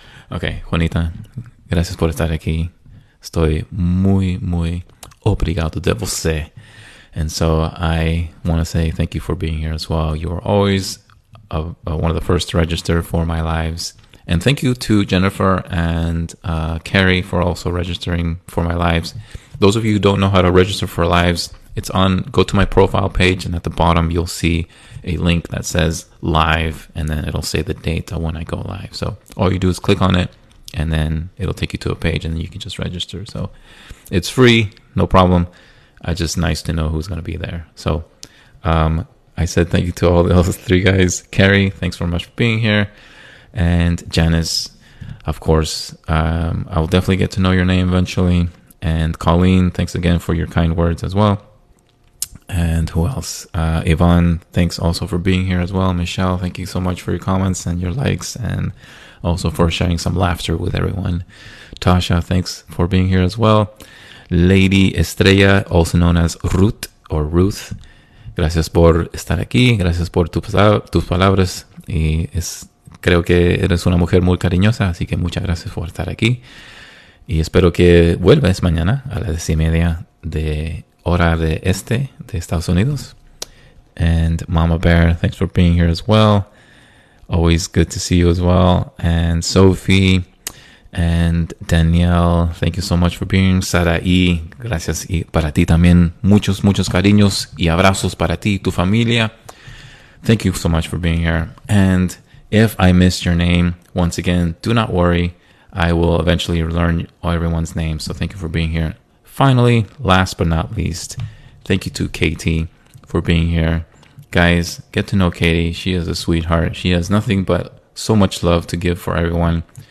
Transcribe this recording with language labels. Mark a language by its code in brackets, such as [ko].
[es] Okay, Juanita, gracias por estar aquí. Estoy muy, muy [pt] obrigado de você. [en] And so I want to say thank you for being here as well. You are always one of the first to register for my lives. And thank you to Jennifer and Carrie for also registering for my lives. Those of you who don't know how to register for lives, go to my profile page, and at the bottom you'll see a link that says live, and then it'll say the date of when I go live. So all you do is click on it, and then it'll take you to a page, and then you can just register. So it's free, no problem. It's just nice to know who's going to be there. So I said thank you to all those three guys. Carrie, thanks very much for being here. And Janice, of course, I will definitely get to know your name eventually. And Colleen, thanks again for your kind words as well. And who else? Yvonne, thanks also for being here as well. Michelle, thank you so much for your comments and your likes, and also for sharing some laughter with everyone. Tasha, thanks for being here as well. [es] Lady Estrella, [en] also known as Ruth or Ruth, [es] gracias por estar aquí, gracias por tus palabras, y creo que eres una mujer muy cariñosa, así que muchas gracias por estar aquí. Y espero que vuelvas mañana a las 10:30 de hora de este, de Estados Unidos. [en] And Mama Bear, thanks for being here as well. Always good to see you as well. And Sophie and Danielle, thank you so much for being. [es] Sarai, gracias y para ti también. Muchos, muchos cariños y abrazos para ti y tu familia. [en] Thank you so much for being here. And if I missed your name, once again, do not worry. I will eventually learn everyone's name. So thank you for being here. Finally, last but not least, thank you to Katie for being here. Guys, get to know Katie. She is a sweetheart. She has nothing but so much love to give for everyone.